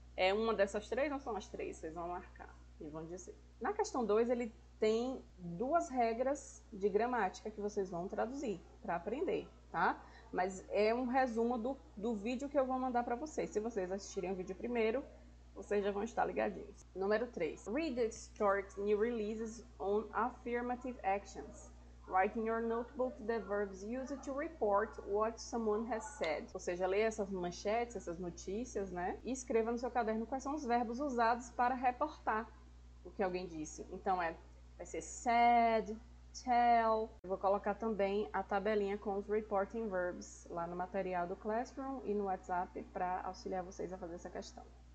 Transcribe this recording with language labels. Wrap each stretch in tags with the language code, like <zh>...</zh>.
<pt>É uma dessas três ou são as três? Vocês vão marcar e vão dizer. Na questão 2, ele tem duas regras de gramática que vocês vão traduzir para aprender, tá? Mas é um resumo do vídeo que eu vou mandar para vocês. Se vocês assistirem o vídeo primeiro, vocês já vão estar ligadinhos. Número 3.</pt> <en>Read the historic new releases on affirmative actions. Write in your notebook the verbs used to report what someone has said.</en> <pt>Ou seja, leia essas manchetes, essas notícias, né? E escreva no seu caderno quais são os verbos usados para reportar o que alguém disse. Então, vai ser said, tell. Eu vou colocar também a tabelinha com os reporting verbs lá no material do Classroom e no WhatsApp para auxiliar vocês a fazer essa questão.</pt>